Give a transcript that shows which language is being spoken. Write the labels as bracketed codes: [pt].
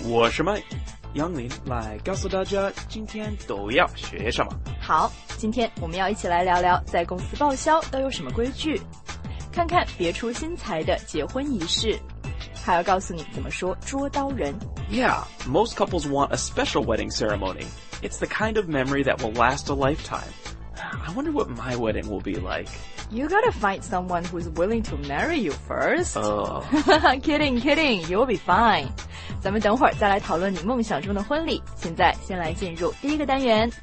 [zh] 我是麦杨林，来告诉大家今天都要学什么。好，今天我们要一起来聊聊在公司报销都有什么规矩，看看别出心裁的结婚仪式，还要告诉你怎么说捉刀人。 [en] Yeah, most couples want a special wedding ceremony. It's the kind of memory that will last a lifetime. I wonder what my wedding will be like. You gotta find someone who's willing to marry you first. Oh. Kidding, kidding, you'll be fine. [zh] 咱们等会儿再来讨论你梦想中的婚礼，现在先来进入第一个单元。